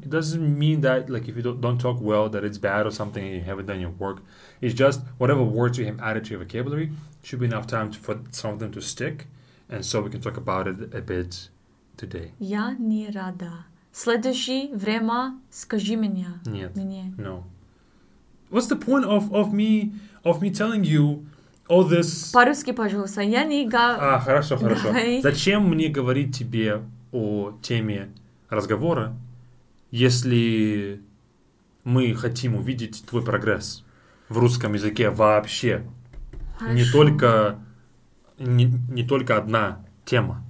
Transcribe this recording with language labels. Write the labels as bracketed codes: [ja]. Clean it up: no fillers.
[en] It doesn't mean that, like, if you don't talk well, that it's bad or something and you haven't done your work. It's just whatever words you have added to your vocabulary should be enough time for some of them to stick. And so we can talk about it a bit today. [ru] Я не рада. Следующее время скажи меня. Нет. No. [en] What's the point of me telling you all this? [ru] По-русски, пожалуйста. Я не Хорошо. Давай. Зачем мне говорить тебе о теме разговора, если мы хотим увидеть твой прогресс в русском языке вообще? Хорошо. Не только одна тема.